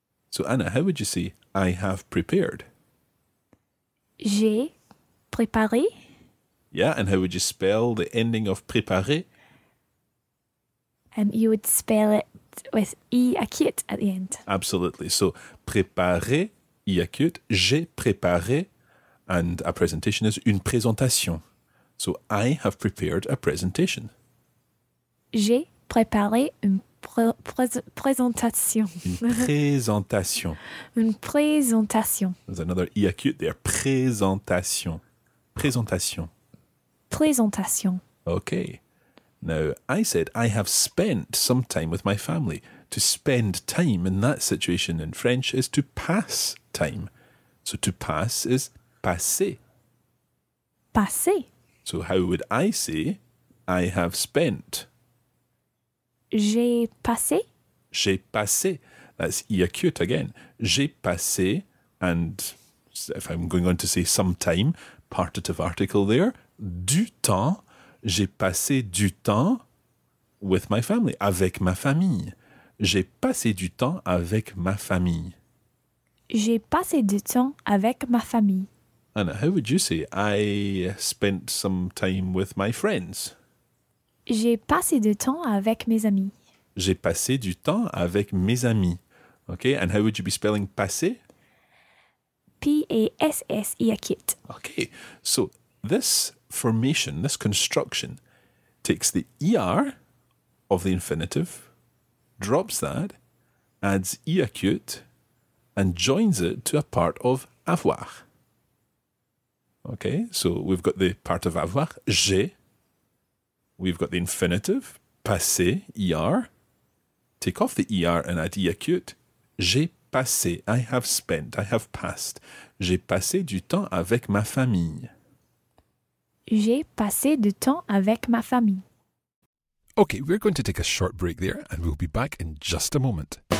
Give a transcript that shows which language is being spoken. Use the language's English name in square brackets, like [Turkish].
[English] So Anna, how would you say, I have prepared? [French] J'ai préparé. [English] Yeah, and how would you spell the ending of préparer? You would spell it with I acute at the end. Absolutely. So, préparer, I acute, [French] j'ai préparé, [English] and a presentation is [French] une présentation. [English] So, I have prepared a presentation. [French] J'ai préparé une présentation. Une présentation. Une présentation. [English] There's another I acute there. [French] Présentation. Présentation. Présentation. [English] Okay. Now, I said I have spent some time with my family. To spend time in that situation in French is to pass time. So to pass is passer. Passer. So how would I say I have spent? [French] J'ai passé. J'ai passé. [English] That's iacute again. [French] J'ai passé. And if I'm going on to say some time, partitive article there, du temps. J'ai passé du temps [English] with my family, [French] avec ma famille. J'ai passé du temps avec ma famille. J'ai passé du temps avec ma famille. [English] Anna, how would you say I spent some time with my friends? [French] J'ai passé du temps avec mes amis. J'ai passé du temps avec mes amis. [English] Okay, and how would you be spelling passé? P-A-S-S-E-A-K-I-T. Okay, so this formation, this construction, takes the ER of the infinitive, drops that, adds iacute, and joins it to a part of avoir. Okay, so we've got the part of avoir, [French] j'ai. [English] We've got the infinitive, passé, ER. Take off the ER and add iacute. [French] J'ai passé, [English] I have spent, I have passed. [French] J'ai passé du temps avec ma famille. J'ai passé du temps avec ma famille. [English] Okay, we're going to take a short break there and we'll be back in just a moment.